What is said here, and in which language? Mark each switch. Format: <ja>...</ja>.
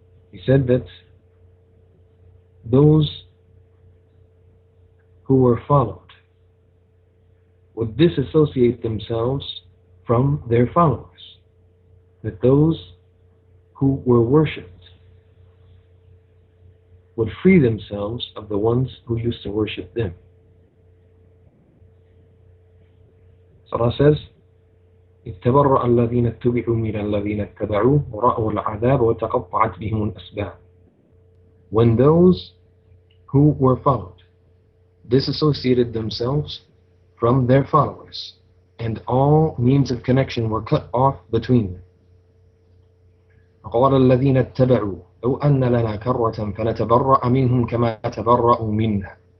<en>he said that those who were followed would disassociate themselves from their followers, that those who were worshipped would free themselves of the ones who used to worship them. Surah says,</en> <ar>اتبرأ الذين اتبعوا من الذين اتبعوا ورأوا العذاب وتقطعت بهم الأسباب.</ar> <en>When those who were followed disassociated themselves from their followers and all means of connection were cut off between them.</en> <ar>قَالَ الَّذِينَ اتَّبَعُوا لَوْ أَنَّ لَنَا كَرَّةً فَنَتَبَرَّأَ مِنْهُمْ كَمَا تَبَرَّأُوا مِنَّا.</ar>